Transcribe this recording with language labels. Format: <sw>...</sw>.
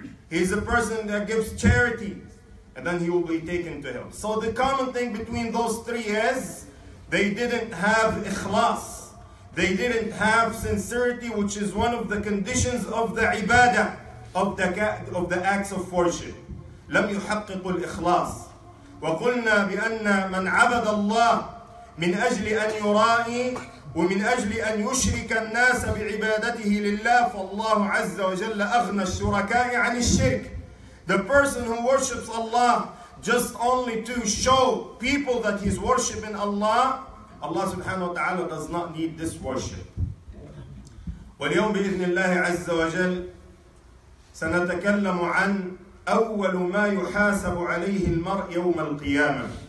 <en>He's a person that gives charity. And then he will be taken to hell. So the common thing between those three is, they didn't have ikhlas. They didn't have sincerity, which is one of the conditions of the ibadah, of the acts of worship.</en> <ar>لم يحقق الإخلاص وقلنا بأن من عبد الله من أجل أن يرائي ومن أجل أن يشرك الناس بعبادته لله فالله عز وجل أغنى الشركاء عن الشرك.</ar> <en>The person who worships Allah just only to show people that he's worshiping Allah, Allah سبحانه وتعالى does not need this worship.</en> <ar>واليوم بإذن الله عز وجل سنتكلم عن أول ما يحاسب عليه المرء يوم القيامة.</ar>